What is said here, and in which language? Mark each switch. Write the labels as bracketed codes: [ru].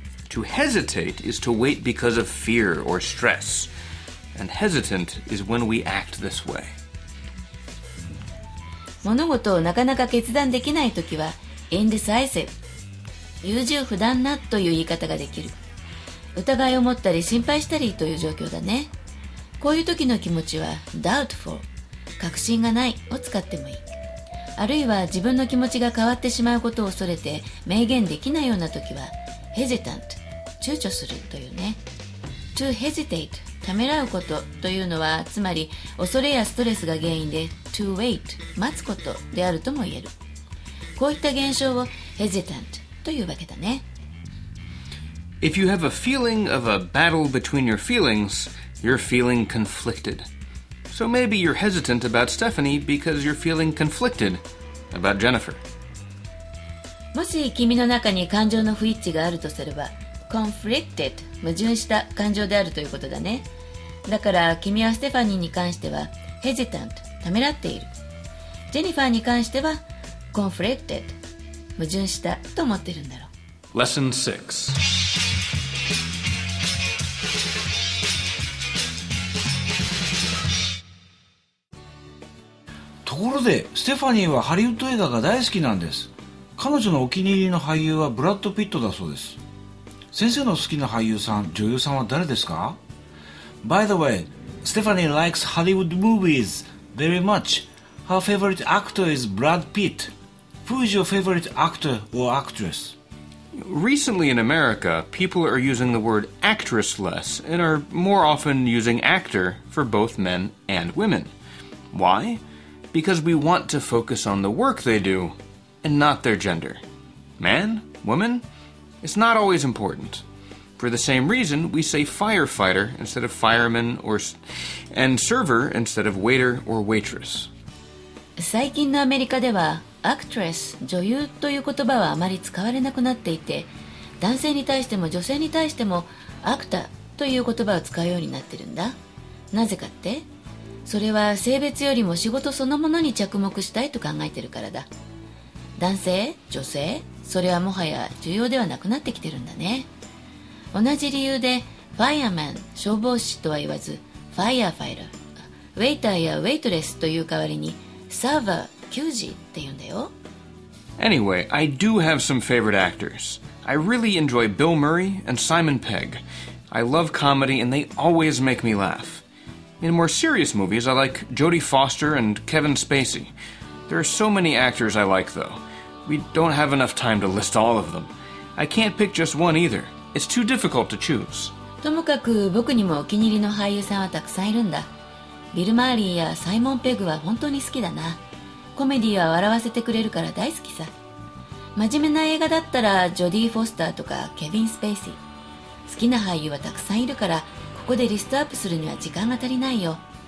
[en] To hesitate is to wait because of fear or stress. And hesitant is when we act this way. [ja] 物事をなかなか決断できないときは indecisive. 優柔不断なという言い方ができる。疑いを持ったり心配したりという状況だね。こういう時の気持ちは doubtful、 確信がないを使ってもいい。あるいは自分の気持ちが変わってしまうことを恐れて明言できないような時は hesitant、 躊躇するというね。 to hesitate、 ためらうことというのは、つまり恐れやストレスが原因で to wait、 待つことであるとも言える。こういった現象を hesitantというわけだね。 [en] If you have a feeling of a battle between your feelings, you're feeling conflicted. So maybe you're hesitant about Stephanie because you're feeling conflicted about Jennifer. [ja] もし君の中に感情の不一致があるとすれば、 conflicted、 矛盾した感情であるということだね。だから君はステファニーに関しては hesitant、 ためらっている。ジェニファーに関しては conflicted、矛盾したと思ってるんだろう。 [en] Lesson 6. [ja] ところで、ステファニーはハリウッド映画が大好きなんです。彼女のお気に入りの俳優はブラッド・ピットだそうです。先生の好きな俳優さん、女優さんは誰ですか？ [en] By the way, Stephanie likes Hollywood movies very much. Her favorite actor is Brad Pitt.Who is your favorite actor or actress? Recently in America, people are using the word actress less and are more often using actor for both men and women. Why? Because we want to focus on the work they do and not their gender. Man? Woman? It's not always important. For the same reason, we say firefighter instead of fireman and server instead of waiter or waitress. [ja] 最近のアメリカでは、アクトレス、女優という言葉はあまり使われなくなっていて、男性に対しても女性に対しても、アクターという言葉を使うようになってるんだ。なぜかって、それは性別よりも仕事そのものに着目したいと考えてるからだ。男性、女性、それはもはや重要ではなくなってきてるんだね。同じ理由で、ファイアマン、消防士とは言わず、ファイアファイラー、ウェイターやウェイトレスという代わりに、サーバー、給仕って言うんだよ。 [en] Anyway, I do have some favorite actors. I really enjoy Bill Murray and Simon Pegg. I love comedy and they always make me laugh. In more serious movies, I like Jodie Foster and Kevin Spacey. There are so many actors I like though. We don't have enough time to list all of them. I can't pick just one either. It's too difficult to choose. [ja] ともかく僕にもお気に入りの俳優さんはたくさんいるんだ。ビル・マーリーやサイモン・ペグは本当に好きだな。コメディは笑わせてくれるから大好きさ。真面目な映画だったらジョディ・フォスターとかケビン・スペイシー。好きな俳優はたくさんいるからここでリストアップするには時間が足りないよ。